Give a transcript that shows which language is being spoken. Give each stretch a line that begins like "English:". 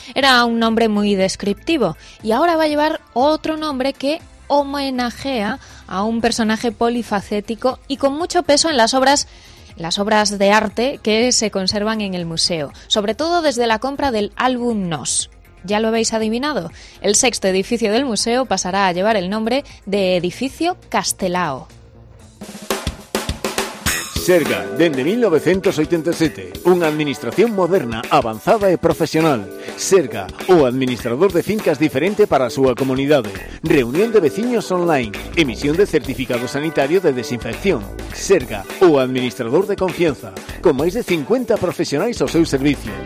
Spanish: Era un nombre muy descriptivo y ahora va a llevar otro nombre que homenajea a un personaje polifacético y con mucho peso en las obras de arte que se conservan en el museo, sobre todo desde la compra del álbum Nos. ¿Ya lo habéis adivinado? El sexto edificio del museo pasará a llevar el nombre de Edificio Castelao.
Galician: Serga, dende 1987, unha administración moderna, avanzada e profesional. Serga, o administrador de fincas diferente para a súa comunidade. Reunión de veciños online, emisión de certificado sanitario de desinfección. Serga, o administrador de confianza, con máis de 50 profesionais ao seu servicio.